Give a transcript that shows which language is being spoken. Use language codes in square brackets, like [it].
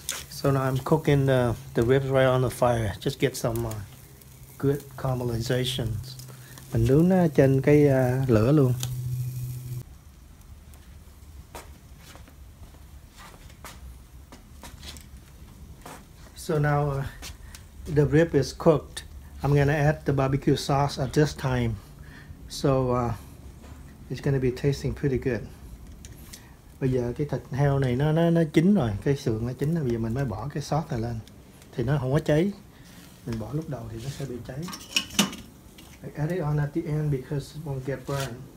[en] So now I'm cooking the ribs right on the fire. Just get some good caramelizations. [vi] Mình nướng nó trên cái lửa luôn. [en] So now the rib is cooked. I'm gonna add the barbecue sauce at this time. So it's gonna be tasting pretty good. [vi] Bây giờ cái thịt heo này nó chín rồi, cái xương nó chín rồi. Bây giờ mình mới bỏ cái sauce này lên. Thì nó không có cháy. Mình bỏ lúc đầu thì nó sẽ bị cháy. [en] I add it on at the end because it won't get burned.